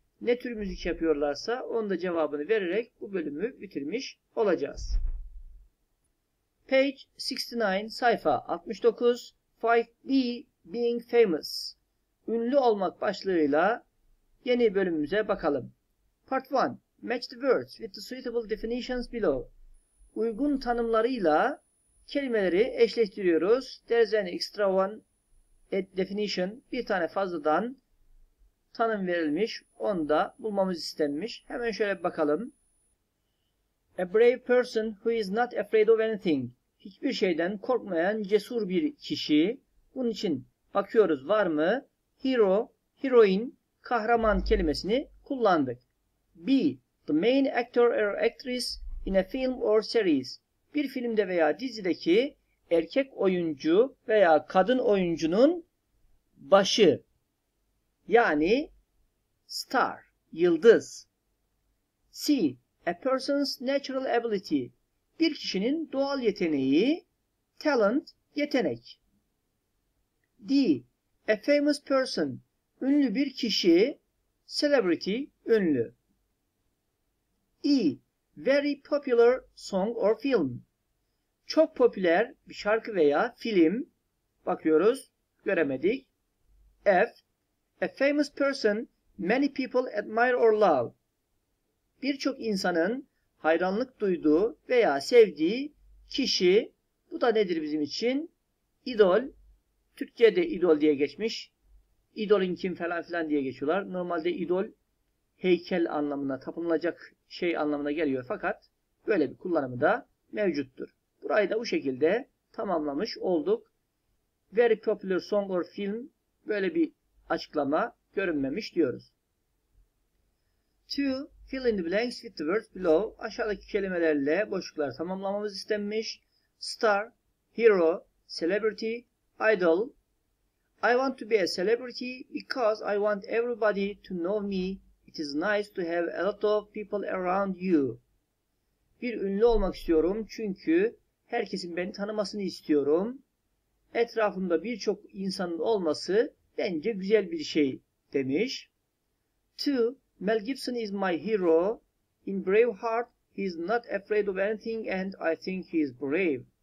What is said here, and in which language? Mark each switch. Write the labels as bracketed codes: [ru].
[tr] Ne tür müzik yapıyorlarsa onun da cevabını vererek bu bölümü bitirmiş olacağız. [en] Page 69, [tr] sayfa 69, 5B, Being Famous, Ünlü Olmak başlığıyla yeni bölümümüze bakalım. [en] Part 1, Match the words with the suitable definitions below. [tr] Uygun tanımlarıyla kelimeleri eşleştiriyoruz. [en] There's an extra one definition, [tr] bir tane fazladan tanım verilmiş, onu da bulmamız istenmiş. Hemen şöyle bir bakalım. [en] A brave person who is not afraid of anything. [tr] Hiçbir şeyden korkmayan cesur bir kişi. Bunun için bakıyoruz var mı? Hero, heroin, kahraman kelimesini kullandık. B. [en] The main actor or actress in a film or series. [tr] Bir filmde veya dizideki erkek oyuncu veya kadın oyuncunun başı. Yani star, yıldız. C. [en] A person's natural ability. [tr] Bir kişinin doğal yeteneği, talent, yetenek. D. [en] A famous person. [tr] Ünlü bir kişi, celebrity, ünlü. E. [en] Very popular song or film. [tr] Çok popüler bir şarkı veya film. Bakıyoruz, göremedik. F. [en] A famous person many people admire or love. [tr] Birçok insanın hayranlık duyduğu veya sevdiği kişi, bu da nedir bizim için? İdol, Türkçe'de idol diye geçmiş. İdolün kim falan filan diye geçiyorlar. Normalde idol heykel anlamına, tapınılacak şey anlamına geliyor. Fakat böyle bir kullanımı da mevcuttur. Burayı da bu şekilde tamamlamış olduk. [en] Very popular song or film, [tr] böyle bir açıklama görünmemiş diyoruz. [en] Two. Fill in the blanks with the words below. [tr] Aşağıdaki kelimelerle boşlukları tamamlamamız istenmiş. [en] Star, hero, celebrity, idol. I want to be a celebrity because I want everybody to know me. It is nice to have a lot of people around you. [tr] Bir ünlü olmak istiyorum çünkü herkesin beni tanımasını istiyorum. Etrafımda birçok insanın olması bence güzel bir şey demiş. [en] Two. Mel Gibson is my hero. In Braveheart, he is not afraid of anything and I think he is brave.